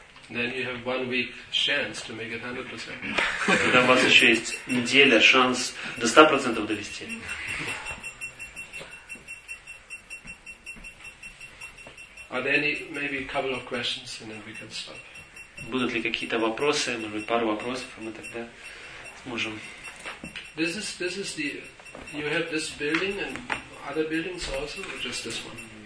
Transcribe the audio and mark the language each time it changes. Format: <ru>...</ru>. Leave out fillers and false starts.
<en>Then you have 1 week chance to make it 100%.</en> <ru>Тогда у вас еще есть неделя, шанс до 100% довести.</ru> <en>Are there any maybe a couple of questions and then we can stop?</en> <ru>Будут ли какие-то вопросы, может быть пару вопросов, и мы тогда сможем.</ru> <en>This is the you have this building and other buildings also or just this one?</en>